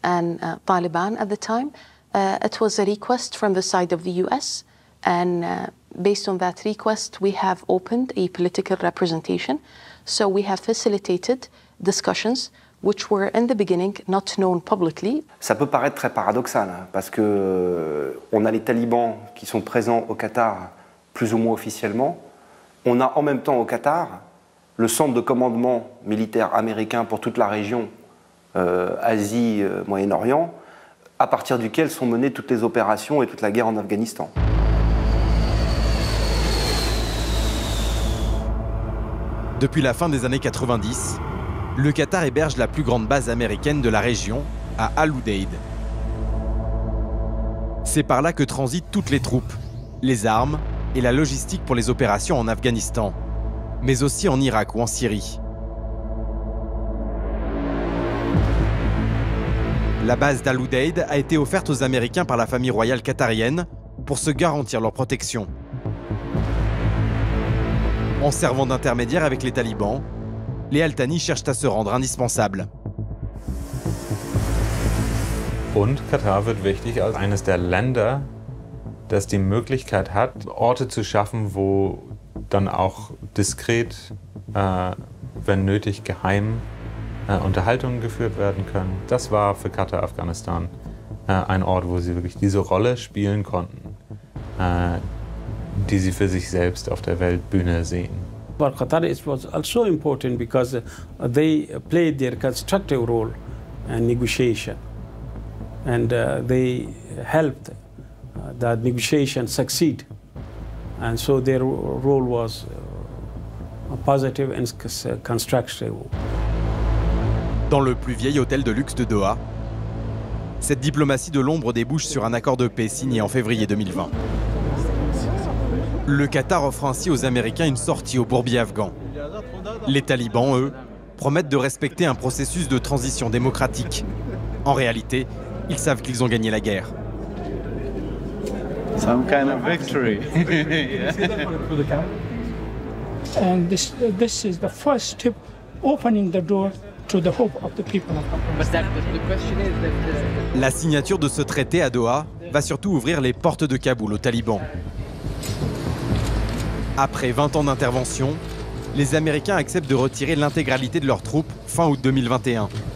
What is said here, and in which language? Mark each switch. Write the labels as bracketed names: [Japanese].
[English] and Taliban at the time. It was a request from the side of the U.S. and based on that request, we have opened a political representation. So we have facilitated discussions which were in the beginning not known publicly. [French] Ça peut paraître très paradoxal parce que on a les talibans qui sont présents au Qatar plus ou moins officiellement. On a en même temps au Qatar le centre de commandement militaire américain pour toute la région Asie, Moyen-Orient, à partir duquel sont menées toutes les opérations et toute la guerre en Afghanistan. Depuis la fin des années 90, le Qatar héberge la plus grande base américaine de la région, à Al Udeid. C'est par là que transitent toutes les troupes, les armes et la logistique pour les opérations en Afghanistan, mais aussi en Irak ou en Syrie. La base d'Al Udeid a été offerte aux Américains par la famille royale qatarienne pour se garantir leur protection. En servant d'intermédiaire avec les talibans, les Al-Thani cherchent à se rendre indispensables. [German] Und Katar wird wichtig als eines der Länder, das die Möglichkeit hat, Orte zu schaffen, wo dann auch diskret, wenn nötig geheim, Unterhaltungen geführt werden können. Das war für Katar Afghanistan ein Ort, wo sie wirklich diese Rolle spielen konnten, die sie für sich selbst auf der Weltbühne sehen. [English] But Qatar it was also important because they played their constructive role in negotiation. And they helped the negotiation succeed. And so their role was positive and constructive. [French] Dans le plus vieil hôtel de luxe de Doha, cette diplomatie de l'ombre débouche sur un accord de paix signé en février 2020. Le Qatar offre ainsi aux Américains une sortie au bourbier afghan. Les talibans, eux, promettent de respecter un processus de transition démocratique. En réalité, ils savent qu'ils ont gagné la guerre. [English] Some kind of victory. And this is the first step opening the door to the hope of the people. But the question is that [French] la signature de ce traité à Doha va surtout ouvrir les portes de Kaboul aux talibans. Après 20 ans d'intervention, les Américains acceptent de retirer l'intégralité de leurs troupes fin août 2021.